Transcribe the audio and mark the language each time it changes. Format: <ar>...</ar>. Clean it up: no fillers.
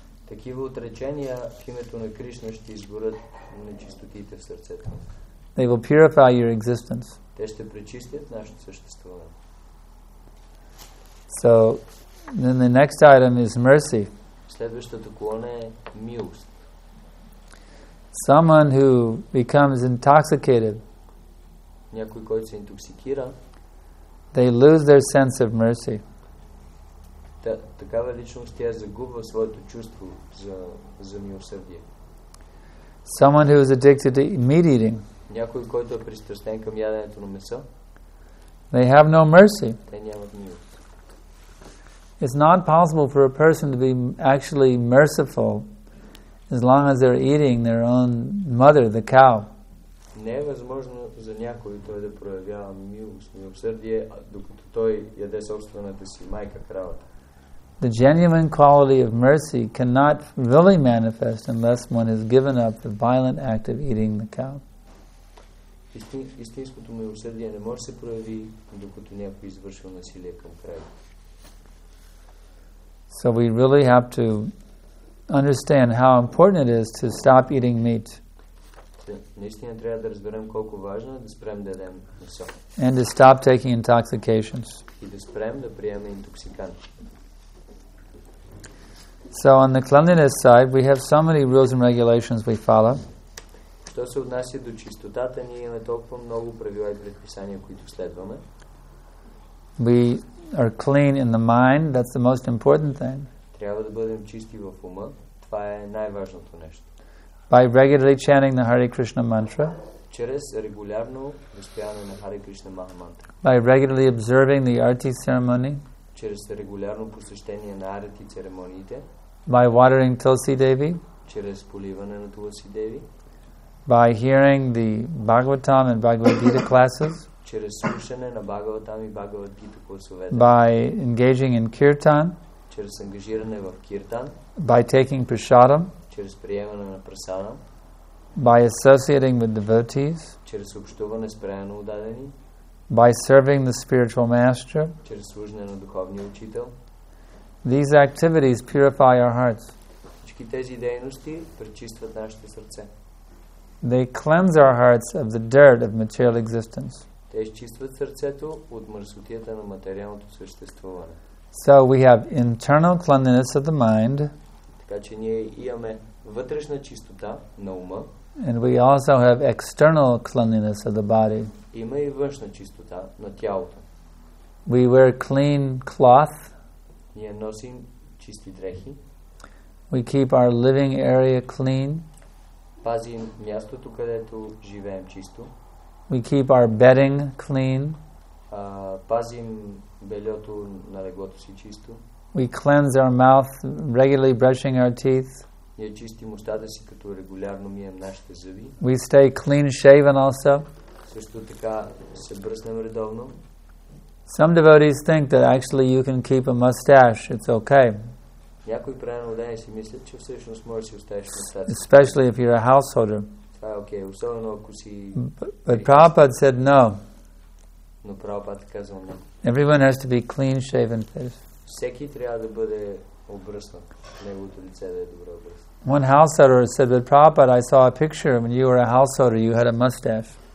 <bg>Такива отречения в името на Кришна ще изгорят нечистотите в сърцето.</bg> <en>They will purify your existence.</en> <bg>Те ще пречистят нашето съществуване.</bg> <en>So, then the next item is mercy.</en> <bg>Следващата колона е милост.</bg> <en>Someone who becomes intoxicated,</en> <bg>някой, който се интоксикира,</bg> <en>they lose their sense of mercy.</en> <bg>Такава личност, тя загубва своето чувство за милосърдие.</bg> <en>Someone who is addicted to meat eating,</en> <bg>някой, който е пристрастен към яденето на месо,</bg> <en>they have no mercy.</en> <bg>Те нямат милост.</bg> <en>It's not possible for a person to be actually merciful as long as they're eating their own mother, the cow.</en> <bg>Не е възможно за някой той да проявява милост, милосърдие, докато той яде собствената си майка, кравата.</bg> <en>The genuine quality of mercy cannot really manifest unless one has given up the violent act of eating the cow.</en> <bg>Истинското милосърдие не може да се прояви, докато някой извършва насилие към кравата.</bg> <en>So we really have to understand how important it is to stop eating meat.</en> <bg>Наистина трябва да разберем колко важно е да спрем да ядем месо.</bg> <en>And to stop taking intoxications.</en> <bg>И да спрем да приемаме интоксикант.</bg> <en>So on the cleanliness side, we have so many rules and regulations we follow.</en> <bg>Що се отнася до чистотата, ние имаме толкова много правила и предписания, които следваме.</bg> <en>We are clean in the mind, that's the most important thing.</en> <bg>Трябва да бъдем чисти в ума, това е най-важното нещо.</bg> <en>By regularly chanting the Hare Krishna mantra.</en> <bg>Чрез регулярно възпяване на Hare Krishna Maha mantra.</bg> <en>By regularly observing the arati ceremony.</en> <bg>Чрез регулярно посещение на арати церемониите.</bg> <en>By watering Tulsi Devi.</en> <bg>Чрез поливане на Тулси Деви.</bg> <en>By hearing the Bhagavatam and Bhagavad Gita classes.</en> <bg>Чрез слушане на Бхагаватам и Бхагават Гита курсове.</bg> <en>By engaging in kirtan,</en> <bg>чрез ангажиране в киртан,</bg> <en>by taking prasadam,</en> <bg>чрез приемане на прасадам,</bg> <en>by associating with devotees,</en> <bg>чрез общуване с правилно отдадени,</bg> <en>by serving the spiritual master,</en> <bg>чрез служене на духовния учител.</bg> <en>These activities purify our hearts.</en> <bg>Всички тези дейности пречистват нашите сърце.</bg> <en>They cleanse our hearts of the dirt of material existence.</en> <bg>Те изчистват сърцето от мръсотията на материалното съществуване.</bg> <en>So we have internal cleanliness of the mind.</en> <bg>Така че ние имаме вътрешна чистота на ума.</bg> <en>And we also have external cleanliness of the body.</en> <bg>Има и външна чистота на тялото.</bg> <en>We wear clean cloth.</en> <bg>Ние носим чисти дрехи.</bg> <en>We keep our living area clean.</en> <bg>Пазим мястото, където живеем чисто.</bg> <en>We keep our bedding clean.</en> <bg>Пазим бельото на леглото си чисто.</bg> <en>We cleanse our mouth, regularly brushing our teeth.</en> <bg>Ние чистим устата си, като регулярно мием нашите зъби.</bg> <en>We stay clean shaven also.</en> <bg>Също така се бръснем редовно.</bg> <en>Some devotees think that actually you can keep a mustache, it's okay.</en> <bg>Някои правилно дени си мислят, че всъщност може да си оставиш мустаца.</bg> <en>Especially if you're a householder.</en> <bg>Okay, особено ако си...</bg> <en>But Prabhupada said no.</en> <bg>Но Prabhupada казва не.</bg> <en>Everyone has to be clean shaven face.</en> <bg>Всеки трябва да бъде обръснат. Неговото лице да е добро обръснат.</bg> <en>One householder said, but Prabhupada, I saw a picture when you were a householder, you had a mustache.</en>